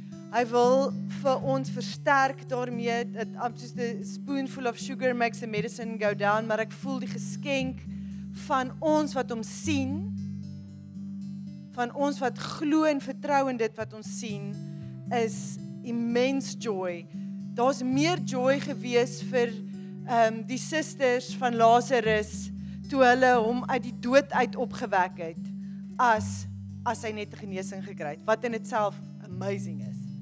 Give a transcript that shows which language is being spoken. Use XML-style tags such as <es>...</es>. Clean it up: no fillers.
<af>Hy wil vir ons versterk daarmee. Soos 'n</af> <en>spoonful of sugar makes the medicine go down.</en> <af>Maar ek voel die geskenk van ons wat hom sien, van ons wat glo en vertrou in dit wat ons sien, is</af> <en>immense joy.</en> <af>Daar's meer joy gewees vir die sisters van Lazarus toe hulle hom uit die dood uit opgewek het, as hy net 'n genesing gekry het, wat</af> <en>in itself amazing</en> <af>is.</af>